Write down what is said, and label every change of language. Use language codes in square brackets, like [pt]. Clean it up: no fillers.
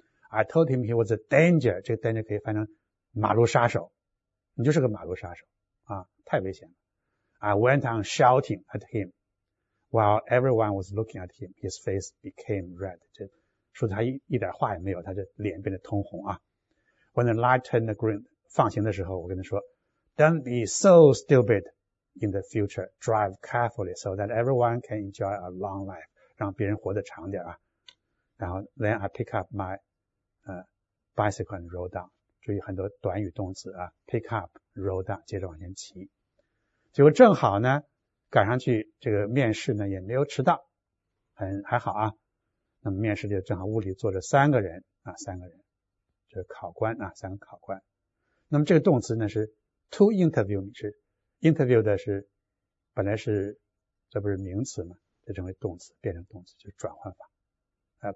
[en] I told him he was a danger, [zh] 这个 danger 可以翻成马路杀手你就是个马路杀手。啊太危险了。 [en] I went on shouting at him, while everyone was looking at him, his face became red. [zh] 这说他 一点话也没有他的脸变得通红啊。 [en] When the light turned green, [zh] 放行的时候我跟他说 [en] ,don't be so stupid in the future, drive carefully so that everyone can enjoy a long life, [zh] 让别人活得长点啊。然后 [en] then I pick up my, bicycle and rode down. [zh] 注意很多短语动词啊 , [en] pick up,roll down, [zh] 接着往前骑。结果正好呢赶上去这个面试呢也没有迟到。还好啊。那么面试就正好屋里坐着三个人啊三个人。这个考官啊三个考官。那么这个动词呢是 [en] to interview me, [zh] 是 interview 的是本来是这不是名词嘛就成为动词变成动词就是转换法。